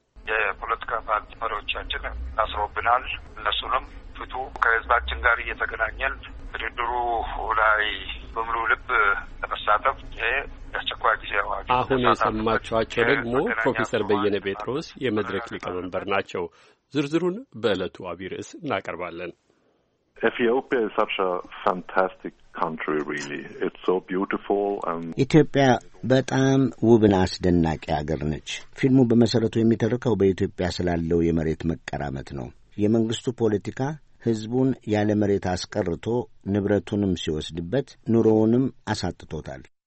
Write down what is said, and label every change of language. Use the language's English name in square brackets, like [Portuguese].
[Amharic] የፖለቲካ ፓርቲ መሪዎቻችን ታስሮብናል፣ እነሱንም ፍቱ፣ ከህዝባችን ጋር እየተገናኘን ድርድሩ ላይ በሙሉ ልብ ለመሳተፍ ይሄ የአስቸኳይ ጊዜ አዋጅ። አሁን የሰማችኋቸው ደግሞ ፕሮፌሰር በየነ ጴጥሮስ የመድረክ ሊቀመንበር ናቸው። ዝርዝሩን በዕለቱ አቢይ ርዕስ እናቀርባለን። [English] Ethiopia is such a fantastic country, really. It's so beautiful. [Amharic] ኢትዮጵያ በጣም ውብና አስደናቂ አገር ነች። ፊልሙ በመሰረቱ የሚተርከው በኢትዮጵያ ስላለው የመሬት መቀራመት ነው። የመንግስቱ ፖለቲካ ህዝቡን ያለ መሬት አስቀርቶ ንብረቱንም ሲወስድበት ኑሮውንም አሳጥቶታል።